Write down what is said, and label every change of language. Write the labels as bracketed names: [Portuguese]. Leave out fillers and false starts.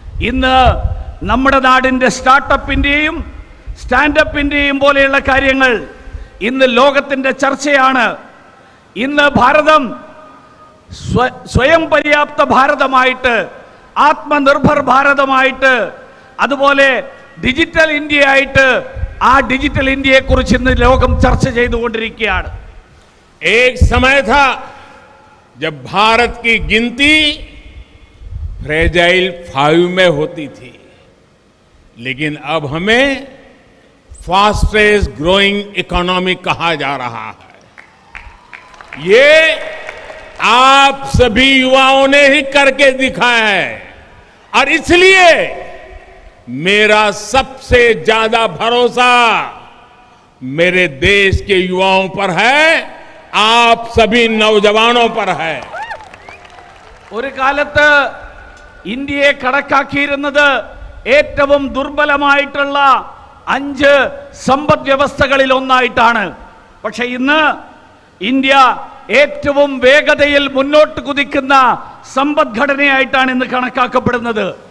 [Malayalam] ഇന്ന് നമ്മുടെ നാടിൻ്റെ സ്റ്റാർട്ടപ്പിൻ്റെയും സ്റ്റാൻഡപ്പിൻ്റെയും പോലെയുള്ള കാര്യങ്ങൾ ഇന്ന് ലോകത്തിൻ്റെ ചർച്ചയാണ്. ഇന്ന് ഭാരതം സ്വയം പര്യാപ്ത ഭാരതമായിട്ട്, ആത്മനിർഭർ ഭാരതമായിട്ട്, അതുപോലെ ഡിജിറ്റൽ ഇന്ത്യയായിട്ട്, ആ ഡിജിറ്റൽ ഇന്ത്യയെക്കുറിച്ച് ഇന്ന് ലോകം ചർച്ച ചെയ്തുകൊണ്ടിരിക്കുകയാണ്. [Hindi] एक समय था जब भारत की गिनती फ्रेजाइल फाइव में होती थी, लेकिन अब हमें [English] fastest growing economy [Hindi] कहा जा रहा है. ये आप सभी युवाओं ने ही करके दिखाया है, और इसलिए मेरा सबसे ज्यादा भरोसा मेरे देश के युवाओं पर है, आप सभी नौजवानों पर है. [Malayalam] ഒരു കാലത്ത് ഇന്ത്യയെ കടക്കാക്കിയിരുന്നത് ഏറ്റവും ദുർബലമായിട്ടുള്ള അഞ്ച് സമ്പദ് വ്യവസ്ഥകളിൽ ഒന്നായിട്ടാണ്. പക്ഷേ ഇന്ന് ഇന്ത്യ ഏറ്റവും വേഗതയിൽ മുന്നോട്ട് കുതിക്കുന്ന സമ്പദ്ഘടനയായിട്ടാണ് ഇന്ന് കണക്കാക്കപ്പെടുന്നത്.